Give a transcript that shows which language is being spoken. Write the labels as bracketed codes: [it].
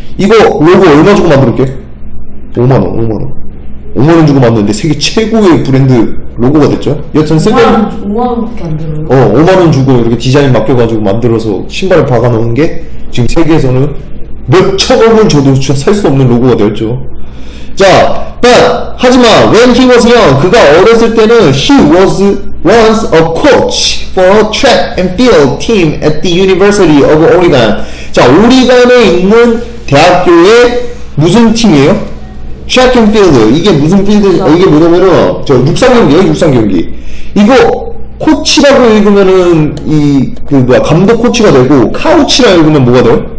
[ko] 이거 로고 얼마 주고 만들게? 5만 원. 5만 원 주고 만드는데 세계 최고의 브랜드 로고가 됐죠? 여튼 5만 원밖에 안 들어요? 5만 원 주고 이렇게 디자인 맡겨가지고 만들어서 신발을 박아놓은 게 지금 세계에서는 몇천억을 줘도 살 수 없는 로고가 되었죠. [en] 자, but [ko] 하지만 [en] when he was young, [ko] 그가 어렸을 때는 [en] he was once a coach for a track and field team at the University of Oregon. [ko] 자, 오리간에 있는 대학교의 무슨 팀이에요? [en] Track and field. [ko] 이게 무슨 필드? 이게 뭐냐면은 저 육상 경기. 이거 코치라고 읽으면은 이 그 뭐야 감독 코치가 되고 카우치라 읽으면 뭐가 돼요?